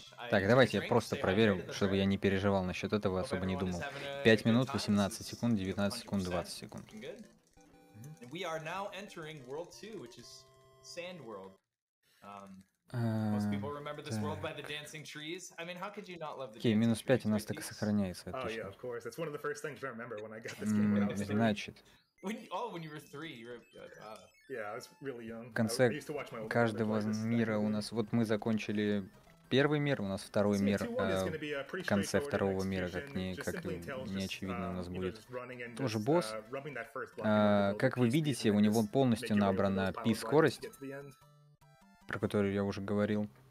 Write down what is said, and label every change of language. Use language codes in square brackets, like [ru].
[ru] Так, давайте я просто проверю, чтобы я не переживал насчет этого, особо не думал. 5 минут, 18 секунд, 19 секунд, 20 секунд. [en] We are now entering World 2, which is Sand World. Most people remember this world by the dancing trees. I mean, how could you not love the dancing [ru] минус 5 у нас так и сохраняется. [en] Oh, yeah, of course. That's one of the first things I remember when I got this game when I was 3. [ru] Значит. [en] When you were 3, you were good. Yeah, I was really young. [ru] В конце каждого мира у нас... Вот мы закончили первый мир, у нас второй мир. В конце второго мира, как не очевидно, у нас будет тоже босс. Как вы видите, у него полностью набрана пи-скорость, про которую я уже говорил.